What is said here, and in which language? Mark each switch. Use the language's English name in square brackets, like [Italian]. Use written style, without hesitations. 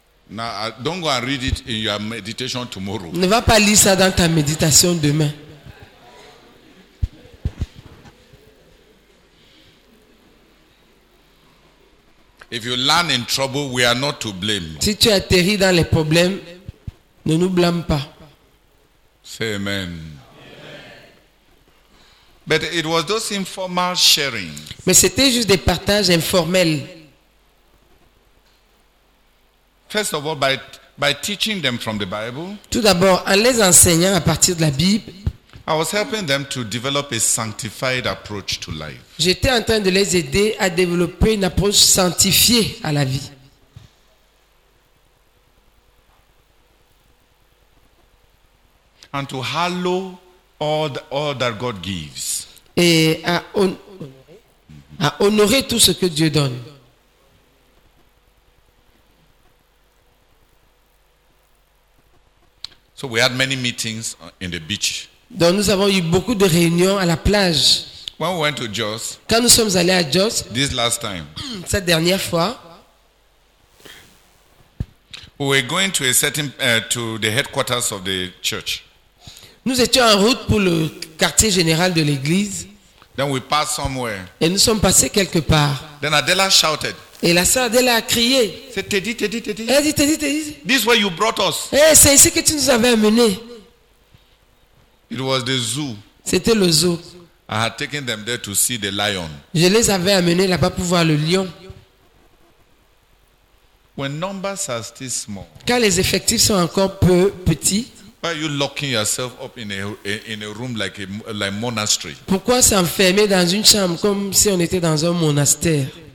[English] Now, don't go and read it in your meditation tomorrow. [French] Ne va pas lire ça dans ta méditation demain. [English] If you land in trouble, we are not to blame. [French] Si tu atterris dans les problèmes, ne nous blâme pas. [English] Say amen. Amen. But it was those informal sharing. [French] Mais c'était juste des partages informels. [English] First of all, by teaching them from the Bible. [French] Tout d'abord, en les enseignant à partir de la Bible. [English] I was helping them to develop a sanctified approach to life. [French] J'étais en train de les aider à développer une approche sanctifiée à la vie. [English] And to hallow all that God gives. [French] Et à honorer tout ce que Dieu donne. [English] So we had many meetings in the beach. [French] Donc nous avons eu beaucoup de réunions à la plage. [English] When we went to Jos, [French] quand nous sommes allés à Jos, [English] this last time, [French] cette dernière fois, [English] we were going to a certain to the headquarters of the church. [French] Nous étions en route pour le quartier général de l'église. [English] Then we passed somewhere. [French] Et nous sommes passés quelque part. [English] Then Adela shouted. [French] Et la sœur Adela a crié. C'est Teddy, Teddy, Teddy. Elle dit Teddy, Teddy. [English] This way you brought us. [French] Hey, c'est ici que tu nous avais amené. [English] It was the zoo. [French] C'était le zoo. [English] I had taken them there to see the lion. [French] Je les avais amenés là-bas pour voir le lion. [English] When numbers are still small. [French] Quand les effectifs sont encore petits. [English] Why are you locking yourself up in a room like a monastery? [French] Pourquoi s'enfermer dans une chambre comme si on était dans un monastère?